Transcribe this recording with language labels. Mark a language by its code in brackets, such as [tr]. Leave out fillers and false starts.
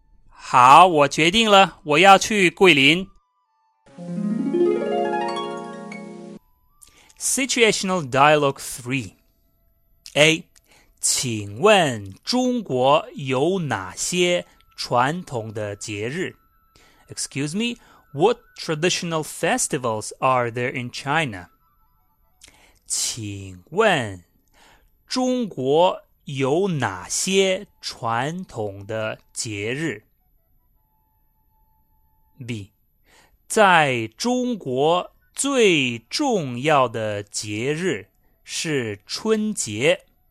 [zh] 好，我决定了，我要去桂林。 [en] Situational Dialogue 3 A. [zh] 请问中国有哪些传统的节日？ [en] Excuse me, what traditional festivals are there in China? [zh] 请问中国有哪些传统的节日？ [en] B. [zh] 在中国最重要的节日是春节。